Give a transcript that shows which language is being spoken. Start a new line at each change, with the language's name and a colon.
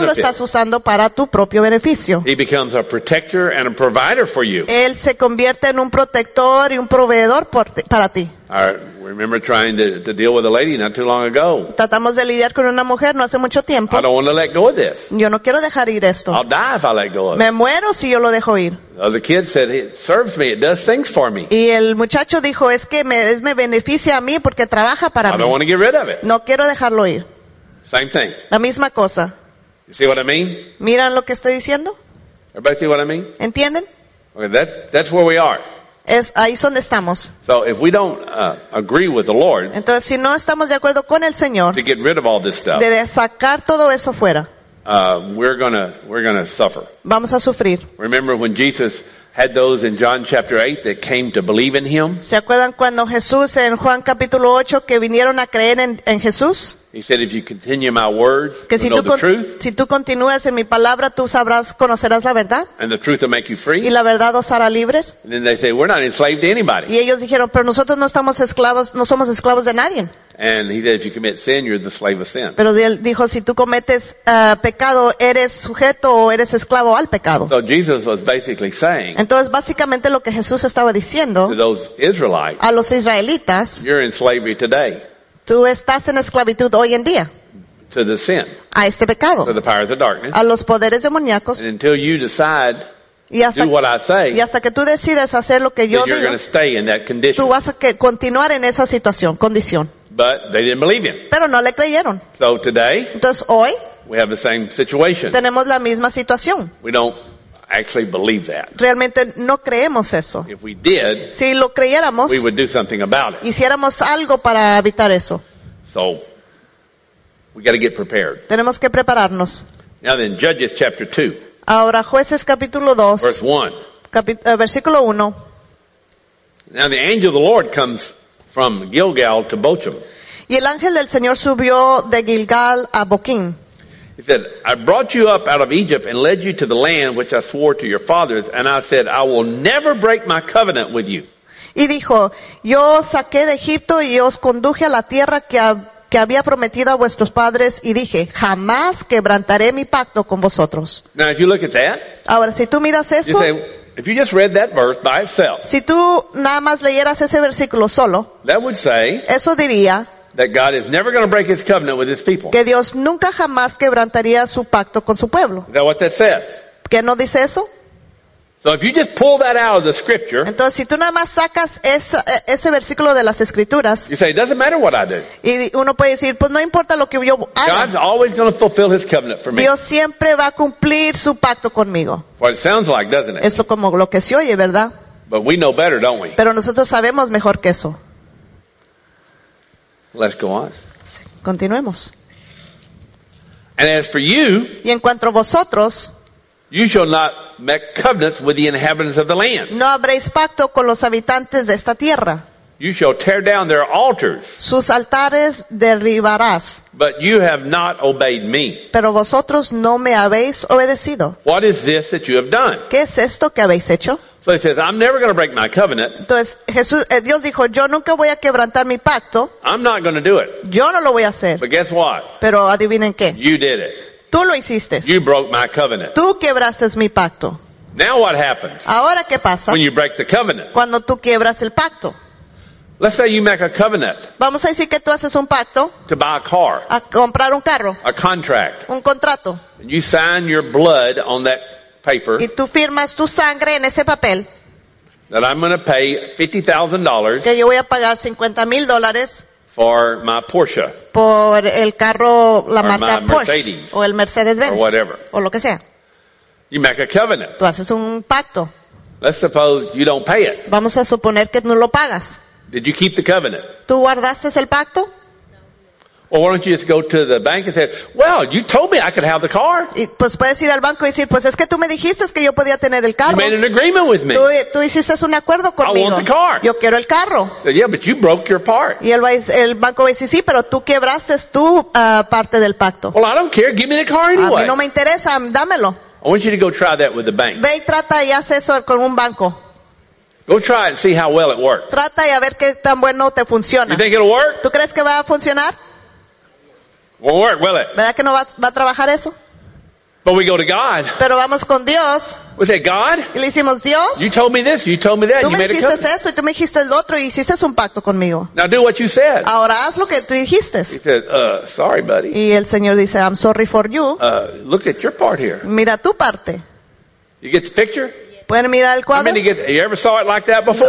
Spanish: Tú lo estás usando para tu propio beneficio.
English: He becomes a protector and a provider for you.
Spanish: Él se convierte en un protector y un proveedor para ti.
English: I remember trying to deal with a lady not too long ago.
Spanish: Tratamos de lidiar con una mujer no hace mucho tiempo.
English: I don't want to let go of this.
Spanish: Yo no quiero dejar ir esto.
English: I'll die if I let go of it.
Spanish: Me muero si yo lo dejo ir.
English: The kid said it serves me, it does things for me.
Spanish: Y el muchacho dijo es que me beneficia a mí porque trabaja para mí.
English: I don't want to get rid of it.
Spanish: No quiero dejarlo ir.
English: Same thing.
Spanish: La misma cosa.
English: You see what I mean?
Spanish: ¿Miran lo que estoy diciendo?
English: Everybody see what I mean?
Spanish: ¿Entienden?
English: Okay, that's where we are.
Spanish: Ahí es donde estamos.
English: So if we don't agree with the Lord,
Spanish: entonces si no estamos de acuerdo con el Señor,
English: to get rid of all this stuff,
Spanish: de sacar todo eso fuera,
English: we're gonna suffer.
Spanish: Vamos a sufrir.
English: Remember when Jesus had those in John chapter 8 that came to believe in him?
Spanish: ¿Se acuerdan cuando Jesús en Juan capítulo 8 que vinieron a creer en Jesús?
English: He said, if you continue my words,
Spanish: que
English: you'll know the truth.
Spanish: Si tú continúas en mi palabra, tú sabrás, conocerás la verdad.
English: And the truth will make you free.
Spanish: Y la verdad os hará libres.
English: And then they say, we're not enslaved to anybody.
Spanish: Y ellos dijeron, pero nosotros no estamos esclavos, no somos esclavos de nadie.
English: And he said, if you commit sin, you're the slave of sin.
Spanish: Pero él dijo, si tú cometes pecado, eres sujeto o eres esclavo al pecado.
English: So Jesus was basically saying,
Spanish: entonces básicamente lo que Jesús estaba diciendo,
English: to those Israelites,
Spanish: a los israelitas,
English: you're in slavery today.
Spanish: Tú estás en esclavitud hoy en día.
English: To the sin,
Spanish: a este pecado.
English: To the powers of darkness,
Spanish: a los poderes demoníacos.
English: And until you decide, do what I say,
Spanish: y hasta que tú decides hacer lo que yo
English: then you're stay in that condition.
Spanish: Tú vas a continuar en esa situación, condición.
English: But they didn't believe him.
Spanish: Pero no le creyeron.
English: So today,
Spanish: entonces hoy,
English: we have the same situation.
Spanish: Tenemos la misma situación.
English: We don't actually believe that.
Spanish: Realmente no creemos eso.
English: If we did,
Spanish: si lo creyéramos,
English: we would do something about it.
Spanish: Hiciéramos algo para evitar eso.
English: So, we got to get prepared.
Spanish: Tenemos que prepararnos.
English: Now then, Judges chapter 2.
Spanish: Ahora, Jueces capítulo 2.
English: Verse 1.
Spanish: Versículo 1.
English: Now the angel of the Lord comes from Gilgal to Bochim.
Spanish: Y el ángel del Señor subió de Gilgal a Bochim.
English: He said, I brought you up out of Egypt and led you to the land which I swore to your fathers, and I said, I will never break my covenant with you.
Spanish: Y dijo, yo saqué de Egipto y os conduje a la tierra que había prometido a vuestros padres, y dije, jamás quebrantaré mi pacto con vosotros.
English: Now, if you look at that,
Spanish: ahora, si tú miras eso,
English: you say, if you just read that verse by itself,
Spanish: si tú nada más leyeras ese versículo solo,
English: that would say,
Spanish: eso diría,
English: that God is never going to break his covenant with his people.
Spanish: Que Dios nunca jamás quebrantaría su pacto con su pueblo.
English: Is that what that says?
Spanish: ¿Qué no dice eso?
English: So if you just pull that out of the scripture,
Spanish: entonces si tú nada más sacas ese versículo de las escrituras,
English: you say it doesn't matter what I do.
Spanish: Y uno puede decir, pues no importa lo que yo haga.
English: God's always going to fulfill his covenant for me.
Spanish: Dios siempre va a cumplir su pacto conmigo.
English: Well, it sounds like, doesn't it?
Spanish: Eso como lo que se oye, ¿verdad?
English: But we know better, don't we?
Spanish: Pero nosotros sabemos mejor que eso.
English: Let's go on.
Spanish: Continuemos.
English: And as for you,
Spanish: y en cuanto a vosotros,
English: you shall not make covenants with the inhabitants of the land.
Spanish: No habréis pacto con los habitantes de esta tierra.
English: You shall tear down their altars.
Spanish: Sus altares derribarás.
English: But you have not obeyed me.
Spanish: Pero vosotros no me habéis obedecido.
English: What is this that you have done?
Spanish: ¿Qué es esto que habéis hecho?
English: So he says, I'm never going to break my covenant.
Spanish: Entonces, Jesús, Dios dijo, yo nunca voy a quebrantar mi pacto.
English: I'm not going to do it.
Spanish: Yo no lo voy a hacer.
English: But guess what?
Spanish: Pero adivinen qué.
English: You did it.
Spanish: Tú lo hiciste.
English: You broke my covenant.
Spanish: Tú quebraste mi pacto.
English: Now what happens?
Spanish: Ahora, ¿qué pasa?
English: When you break the covenant.
Spanish: Cuando tú quiebras el pacto.
English: Let's say you make a covenant.
Spanish: Vamos a decir que tú haces un pacto.
English: To buy a car.
Spanish: A comprar un carro.
English: A contract.
Spanish: Un contrato.
English: And you sign your blood on that paper.
Spanish: Y tú firmas tu sangre en ese papel.
English: That I'm going to pay $50,000.
Spanish: Que yo voy a pagar $50,000.
English: For my Porsche.
Spanish: Por el carro, la
English: or
Spanish: marca
English: my Porsche. Mercedes,
Spanish: o el Mercedes-Benz.
English: Or whatever.
Spanish: O lo que sea.
English: You make a covenant.
Spanish: Tú haces un pacto.
English: Let's suppose you don't pay it.
Spanish: Vamos a suponer que no lo pagas.
English: Did you keep the covenant?
Spanish: ¿Tú guardaste el pacto?
English: Or why don't you just go to the bank and say, well, you told me I could have the car.
Spanish: Y pues puedes ir al banco y decir, pues es que tú me dijiste que yo podía tener el carro.
English: You made an agreement with me.
Spanish: Tú hiciste un acuerdo conmigo.
English: I want the car.
Spanish: Yo quiero el carro.
English: So, yeah, but you broke your part.
Spanish: Y el banco va a decir, sí, pero tú quebraste tu parte del pacto.
English: Well, I don't care. Give me the car anyway.
Spanish: A mí no me interesa. Dámelo.
English: I want you to go try that with the bank.
Spanish: Ve y trata y haz eso con un banco.
English: Go try it and see how well it works.
Spanish: Trata y a ver qué tan bueno te funciona.
English: You think it'll work?
Spanish: ¿Tú crees que va a funcionar?
English: Won't work, will it?
Spanish: ¿Verdad que no va, va a trabajar eso?
English: But we go to God.
Spanish: Pero vamos con Dios.
English: We say, God?
Spanish: Y le decimos, Dios.
English: You told me this, you told me that.
Spanish: Tú me
English: made
Spanish: dijiste
English: a covenant.
Spanish: Esto y tú me dijiste el otro y hiciste un pacto conmigo.
English: Now do what you said.
Spanish: Ahora haz lo que tú dijiste.
English: He said, sorry, buddy.
Spanish: Y el Señor dice,
English: I'm sorry for you. Look at your part here.
Spanish: Mira tu parte.
English: You get the picture?
Spanish: ¿Pueden mirar el cuadro?
English: How many get, you ever saw it like that before?